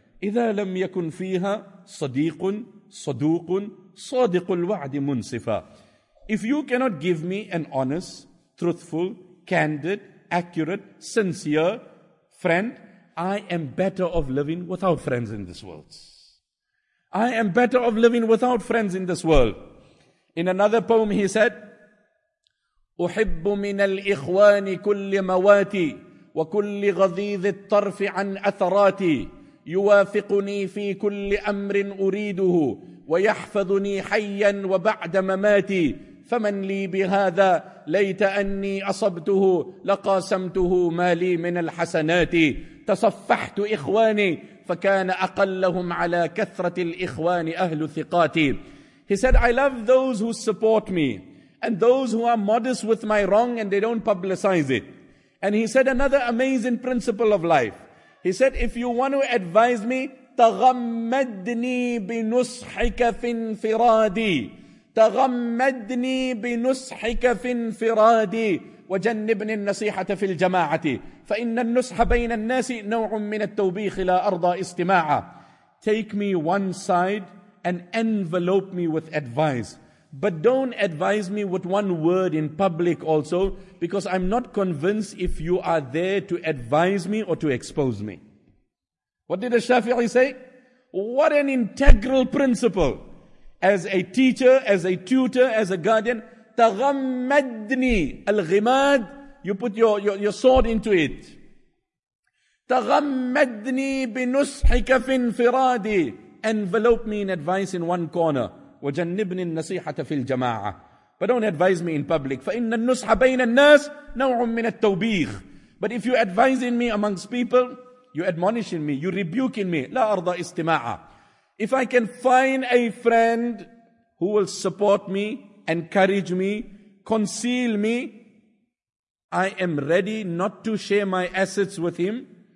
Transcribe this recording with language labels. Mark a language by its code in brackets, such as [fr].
[ar] إِذَا لَمْ يَكُنْ فِيهَا صَدِيقٌ صَدُوقٌ صَادِقُ الْوَعْدِ مُنْسِفًا. [en] If you cannot give me an honest, truthful, candid, accurate, sincere friend, I am better off living without friends in this world. I am better off living without friends in this world. In another poem he said, [ar] أُحِبُّ مِنَ الْإِخْوَانِ كُلِّ مَوَاتِي وَكُلِّ غَضِيذِ الطَّرْفِ عَنْ أَثَرَاتِي يُوَافِقُنِي فِي كُلِّ أَمْرٍ أُرِيدُهُ وَيَحْفَظُنِي حَيًّا وَبَعْدَ مَمَاتِي فَمَنْ لِي بِهَذَا لَيْتَ أَنِّي أَصَبْتُهُ لَقَاسَمْتُهُ مَا لِي مِنَ الْحَسَنَاتِ تَصَفَّحْتُ إِخْوَانِي فَكَانَ أَقَلَّهُمْ عَلَى كَثْرَةِ الْإِخْوَانِ أَهْلُ ثِقَاتِي. [en] He said, I love those who support me and those who are modest with my wrong and they don't publicize it. And he said another amazing principle of life. He said, if you want to advise me, [ar] تَغَمَّدْنِي بِنُصْحِكَ فِي انْفِرَادِي تَغَمَّدْنِي بِنُصْحِكَ فِي انْفِرَادِي وَجَنِّبْنِي النَّصِيحَةَ فِي الْجَمَاعَةِ فَإِنَّ النُّصْحَ بَيْنَ النَّاسِ نَوْعٌ مِّنَ التَّوْبِيخِ لَا أَرْضَى إِسْتِمَاعَ. [en] Take me one side and envelope me with advice. But don't advise me with one word in public also, because I'm not convinced if you are there to advise me or to expose me. What did the Shafi'i say? What an integral principle. As a teacher, as a tutor, as a guardian, [ar] تغمدني الغماد, [en] you put your sword into it. [ar] تغمدني بنصحك في انفرادي, [en] envelope me in advice in one corner. [ar] وجنبني النصيحة في الجماعة, [en] but don't advise me in public. [ar] فإن النصح بين الناس نوع من التوبيخ. [en] But if you're advising me amongst people, you're admonishing me, you're rebuking me. [ar] لا أرضى استماعة. [en] If I can find a friend who will support me, encourage me, conceal me, I am ready not to share my assets with him.